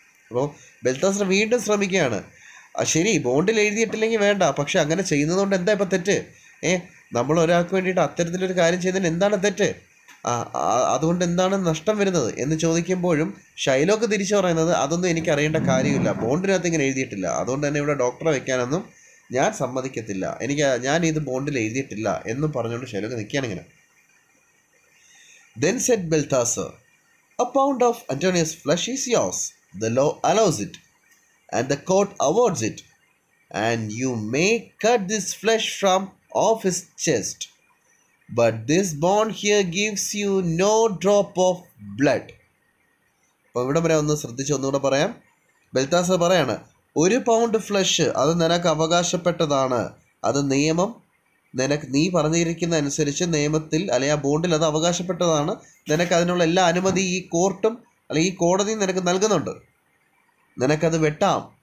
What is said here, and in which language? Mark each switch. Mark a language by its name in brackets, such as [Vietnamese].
[Malayalam] അപ്പോൾ ബെൽതാസർ വീണ്ടും ശ്രമിക്കുകയാണ്, ശരി ബോണ്ടിൽ എഴുതിയിട്ടില്ലെങ്കിൽ വേണ്ട, പക്ഷെ അങ്ങനെ ചെയ്യുന്നത് കൊണ്ട് എന്താ ഇപ്പം തെറ്റ്, നമ്മൾ ഒരാൾക്ക് വേണ്ടിയിട്ട് അത്തരത്തിലൊരു കാര്യം ചെയ്തതിന് എന്താണ് തെറ്റ്, അതുകൊണ്ട് എന്താണ് നഷ്ടം വരുന്നത് എന്ന് ചോദിക്കുമ്പോഴും ഷൈലോക്ക് തിരിച്ചു പറയുന്നത് അതൊന്നും എനിക്ക് അറിയേണ്ട കാര്യമില്ല, ബോണ്ടിനകത്ത് ഇങ്ങനെ എഴുതിയിട്ടില്ല, അതുകൊണ്ട് തന്നെ ഇവിടെ ഡോക്ടറെ വയ്ക്കാനൊന്നും ഞാൻ സമ്മതിക്കത്തില്ല, എനിക്ക് ഞാൻ ഇത് ബോണ്ടിൽ എഴുതിയിട്ടില്ല എന്നും പറഞ്ഞുകൊണ്ട് ഷൈലോക്ക് നിൽക്കുകയാണ് ഇങ്ങനെ. [English] Then said Balthasar, a pound of Antonio's flesh is yours. The law allows it, and the court awards it, and you may cut this flesh from off his chest, but this bond here gives you no drop of blood. [Malayalam] Appo ivide mare onnu sradhichu onnu kuda parayam, Balthasar parayana oru pound flesh adu nenakku avagashapettadana, adu niyamam നിനക്ക് നീ പറഞ്ഞിരിക്കുന്ന അനുസരിച്ച് നിയമത്തിൽ അല്ലെങ്കിൽ ആ ബോണ്ടിൽ അത് അവകാശപ്പെട്ടതാണ്, നിനക്ക് അതിനുള്ള എല്ലാ അനുമതിയും ഈ കോർട്ടും അല്ലെങ്കിൽ ഈ കോടതിയും നിനക്ക് നൽകുന്നുണ്ട്. നിനക്കത് വെട്ടാം.